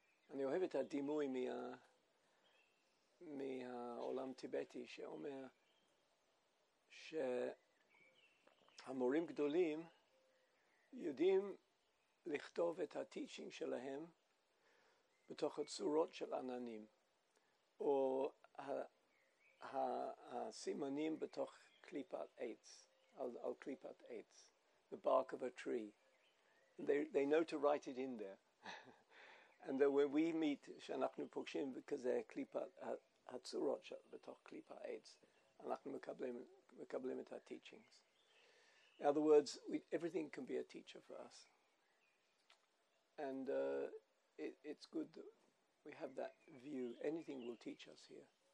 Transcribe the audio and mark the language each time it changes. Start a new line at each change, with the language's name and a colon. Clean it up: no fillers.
Hebrew: אני אוהב את הדימוי מהעולם טיבטי שאומר שהמורים גדולים יודעים לכתוב את הטיצ'ינג שלהם בתוך הצורות של עננים, או הסימנים בתוך קליפת עץ, על קליפת עץ,
English: the bark of a tree. They know to write it in there. And then when we meet,
Hebrew: שאנחנו פוגשים כזה קליפת, הצורות של, בתוך קליפת עץ, אנחנו מקבלים את הטיצ'ינגס.
English: In other words, everything can be a teacher for us. And it's good that we have that view. Anything will teach us here.